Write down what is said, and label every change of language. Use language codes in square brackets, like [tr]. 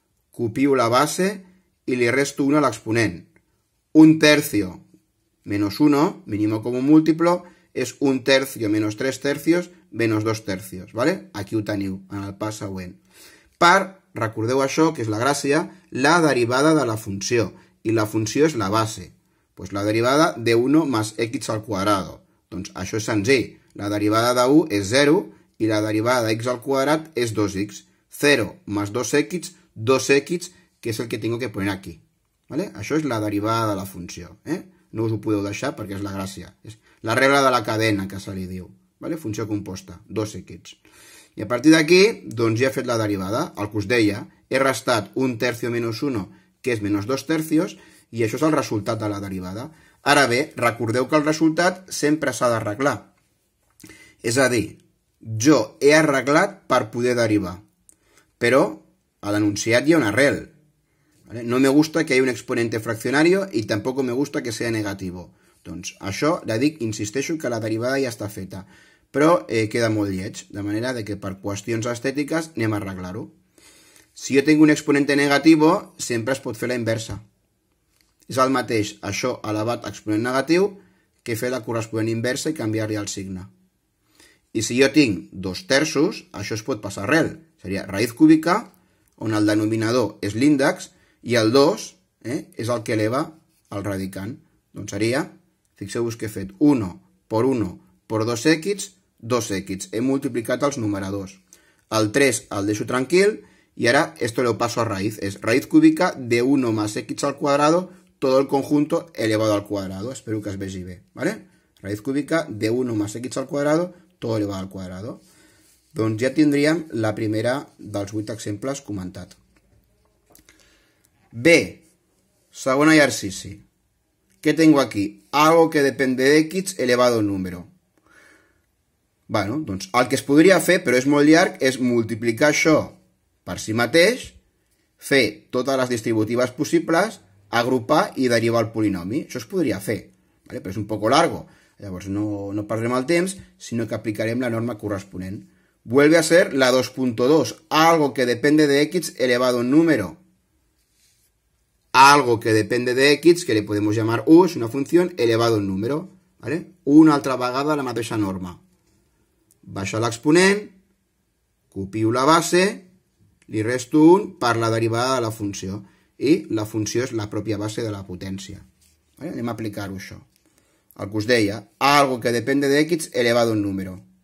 [ca] Copio la base i li resto 1 a l'exponent. [es] Un tercio menos 1, [ca] mínimo com un múltiplo, és [es] un tercio menos 3 tercios menos 2 tercios. [ca] ¿Vale? Aquí ho teniu, en el pas següent. Per, recordeu això, que és la gràcia, la derivada de la funció. I la funció és la base. [es] Pues la derivada de 1 más x al cuadrado. [ca] Doncs això és senzill. La derivada de 1 és 0 i la derivada de x al quadrat és 2x. [es] 0 más 2x, 2x, que [ca] és [es] el que tengo que poner aquí. ¿Vale? [ca] Això és la derivada de la funció. ¿Eh? No us ho podeu deixar perquè és la gràcia. És la regla de la cadena, que se li diu. ¿Vale? Funció composta, 2x. I a partir d'aquí, doncs ja he fet la derivada. El que us deia, he restat [es] un tercio menos 1, [ca] que és [es] menos 2 tercios, [ca] i això és el resultat de la derivada. Ara bé, recordeu que el resultat sempre s'ha d'arreglar. És a dir, jo he arreglat per poder derivar, però a l'enunciat hi ha un arrel. [es] ¿Vale? No me gusta que [ca] hi hagi [es] un exponente fraccionario [ca] i tampoc [es] me gusta que sea negativo. [ca] Doncs això, ja dic, insisteixo que la derivada ja està feta, però queda molt lleig, de manera que per qüestions estètiques anem a arreglar-ho. Si jo tinc un [es] exponente negativo, [ca] sempre es pot fer la inversa. És el mateix això elevat a exponent negatiu que fer la corresponent inversa i canviar-li el signe. I si jo tinc 2/3, això es pot passar arrel. Seria raïs cúbica, on el denominador és l'índex, i el 2 és el que eleva el radicant. Doncs seria, fixeu-vos que he fet 1 per 1 per 2x, 2x. He multiplicat els numeradors. El 3 el deixo tranquil i ara [es] esto lo paso a raíz. És raíz cúbica de 1 más x al cuadrado, todo el conjunto elevado al cuadrado. [ca] Espero que es vegi bé. [es] ¿Vale? Raíz cúbica de 1 más x al cuadrado, todo elevado al cuadrado. [ca] Doncs ja tindríem la primera dels 8 exemples comentat. [es] B. [ca] Segon exercici. [es] ¿Qué tengo aquí? Algo que depende de x elevado a un número. [ca] Bueno, doncs el que es podria fer, però és molt llarg, és multiplicar això per si mateix, fer totes les distributives possibles, agrupar i derivar el polinomi. Això es podria fer, ¿vale? Però és [es] un poco largo. [ca] Llavors no perdrem el temps, sinó que aplicarem la norma corresponent. [es] Vuelve a ser la 2.2. Algo que depende de x elevado a un número. Algo que depende de x, que le podemos llamar u, es una función elevado a un número. ¿Vale? [ca] Una altra vegada la mateixa norma. Baixo l'exponent, copio la base, li resto 1 per la derivada de la funció. i la funció és la pròpia base de la potència. Vale? Anem a aplicar-ho això. El que us deia, algo que depèn de x elevat a un número.